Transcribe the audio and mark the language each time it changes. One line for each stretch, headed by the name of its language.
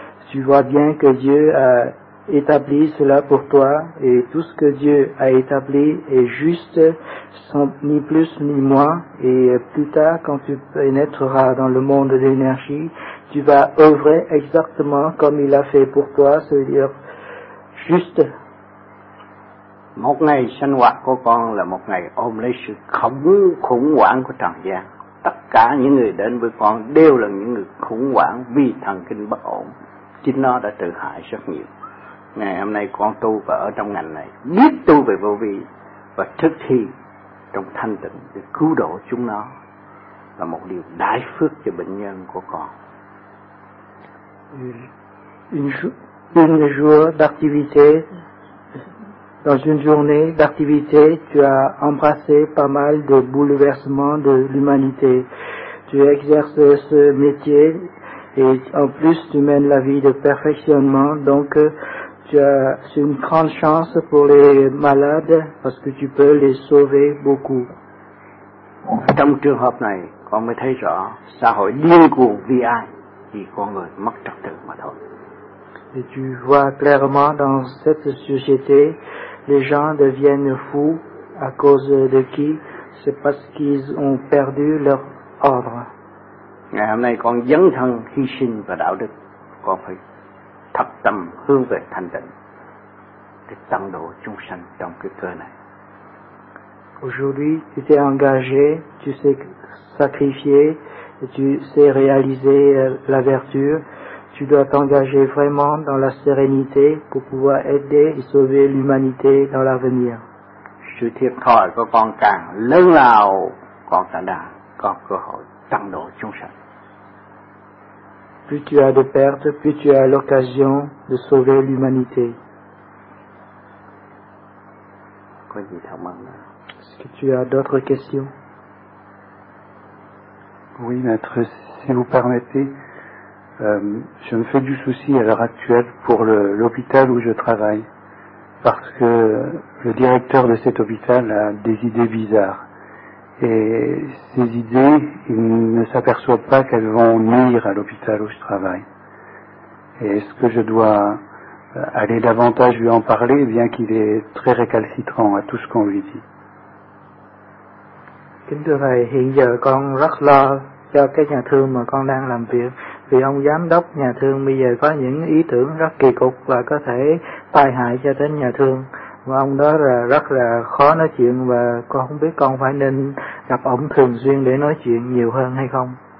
French: Tu vois bien que Dieu a établi cela pour toi, et tout ce que Dieu a établi est juste, sans ni plus ni moins. Et plus tard, quand tu pénétreras dans le monde de l'énergie, tu vas œuvrer exactement comme il a fait pour toi, c'est-à-dire juste.
Vietnamese: Một ngày sinh hoạt của con là một ngày ôm lấy sự khủng hoảng của trần gian. Tất cả những người đến với con đều là những người khủng hoảng vì thần kinh bất ổn. Chính nó đã tự hại rất nhiều. Ngày hôm nay con tu và ở trong ngành này, biết tu về vô vi và thực thi trong thanh tịnh để cứu độ chúng nó là một điều đại phước cho bệnh nhân của con.
French: Une jour d'activité, dans une journée d'activité, tu as embrassé pas mal de bouleversements de l'humanité. Tu exerces ce métier et en plus tu mènes la vie de perfectionnement, donc c'est une grande chance pour les malades parce que tu peux les sauver beaucoup.
Vietnamese: Trong trường hợp này, con mới thấy rõ xã hội điên cuồng vì ai, vì con người mất trật tự mà thôi.
French: Et tu vois clairement dans cette société, les gens deviennent fous à cause de qui? C'est parce qu'ils ont perdu leur ordre.
Vietnamese: Ngày hôm nay, con dấn thân hy sinh và đạo đức, con phải thập tâm hướng về thanh tịnh để tận độ chúng sanh trong cái cơ này.
French: Aujourd'hui, tu t'es engagé, tu sais sacrifier, tu sais réaliser la vertu. Tu dois t'engager vraiment dans la sérénité pour pouvoir aider et sauver l'humanité dans l'avenir.
Vietnamese: Sự thiệt thòi của con càng lớn lao, con càng đang có cơ hội tận độ chúng sanh.
French: Plus tu as de pertes, plus tu as l'occasion de sauver l'humanité. Est-ce que tu as d'autres questions? Oui, maître, si vous permettez, je me fais du souci à l'heure actuelle pour l'hôpital où je travaille, parce que le directeur de cet hôpital a des idées bizarres. Et ces idées, il ne s'aperçoit pas qu'elles vont nuire à l'hôpital où je travaille. Et est-ce que je dois aller davantage lui en parler, bien qu'il est très récalcitrant à tout ce qu'on lui dit?
Vietnamese: Kính thưa thầy, hiện giờ con rất lo cho cái nhà thương mà con đang làm việc, vì ông giám đốc nhà thương bây giờ có những ý tưởng rất kỳ cục và có thể tai hại cho đến nhà thương. Và ông đó là rất là khó nói chuyện, và con không biết con phải nên gặp ông thường xuyên để nói chuyện nhiều hơn hay không.